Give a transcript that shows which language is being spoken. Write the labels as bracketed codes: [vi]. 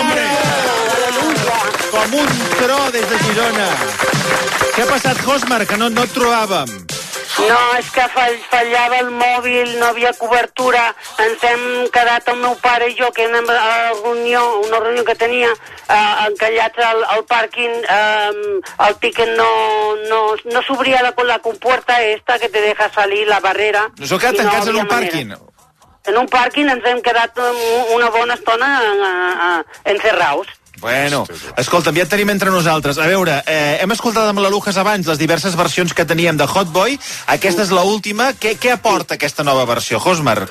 [ca] Hombre. Com un tro des de Girona. Què ha passat, Hosmer, que no et trobàvem? No, és que fallava el mòbil, no havia cobertura. Ens hem quedat el meu pare i jo, que anem a una reunió que tenia, encallats al pàrquing. El tiquet no s'obria [es] con la compuerta esta que te deja salir, la barrera. [ca] Nos heu quedat tancats en un pàrquing. En un pàrquing ens hem quedat una bona estona encerrados. Bueno, escolta'm, ja tenim entre nosaltres. A veure, hem escoltat amb la Lujas abans les diverses versions que teníem de Hot Boy. Aquesta és l'última. Què aporta aquesta nova versió, Hosmer?